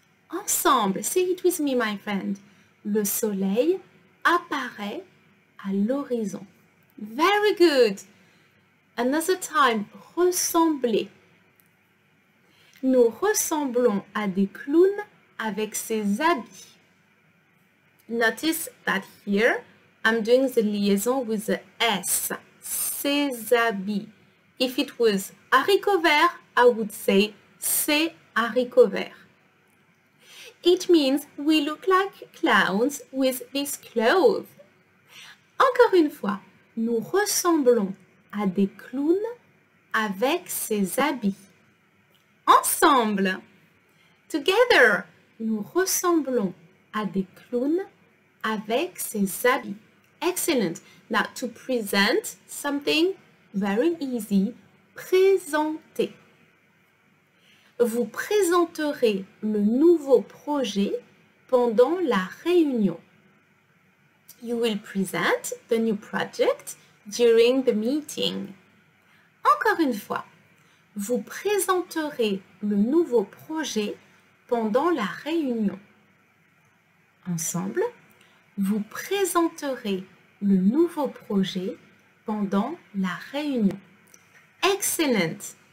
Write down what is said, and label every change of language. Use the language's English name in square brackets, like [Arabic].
[French] Ensemble, [English] say it with me, my friend. [French] Le soleil apparaît à l'horizon. [English] Very good. Another time, ressembler. [French] Nous ressemblons à des clowns avec ces habits. [English] Notice that here, I'm doing the liaison with the S. [French] Ces habits. [English] If it was haricot vert, I would say [French] c'est haricot vert. [English] It means we look like clowns with these clothes. [French] Encore une fois, nous ressemblons à des clowns avec ces habits. Ensemble, together, nous ressemblons à des clowns avec ces habits. Excellent. [English] Now, to present something, very easy. [French] Présenter. Vous présenterez le nouveau projet pendant la réunion. [English] You will present the new project during the meeting. [French] Encore une fois, vous présenterez le nouveau projet pendant la réunion. Ensemble, vous présenterez le nouveau projet pendant la réunion. Excellent.